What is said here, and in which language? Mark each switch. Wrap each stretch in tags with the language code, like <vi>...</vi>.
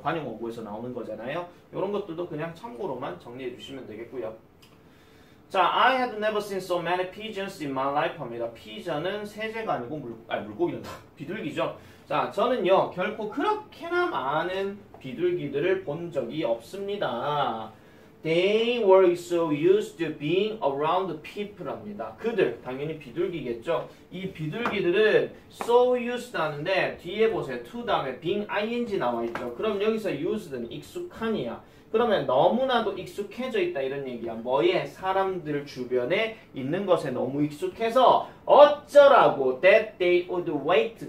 <ko>관용어구에서 나오는 거잖아요. 이런 것들도 그냥 참고로만 정리해 주시면 되겠고요.</ko> <en>자, I had never seen so many pigeons in my life</en> <ko>합니다. 피전은 새재가 아니고 물고기는 다 비둘기죠. 자, 저는요, 결코 그렇게나 많은 비둘기들을 본 적이 없습니다.</ko> <en>They were so used to being around people</en> <ko>합니다. 그들, 당연히 비둘기겠죠. 이 비둘기들은 so used 하는데 뒤에 보세요. to 다음에 being ing 나와 있죠. 그럼 여기서 used는 익숙한이야. 그러면 너무나도 익숙해져 있다 이런 얘기야. 뭐에? 사람들 주변에 있는 것에 너무 익숙해서 어쩌라고</ko> <en>that they would wait.</en>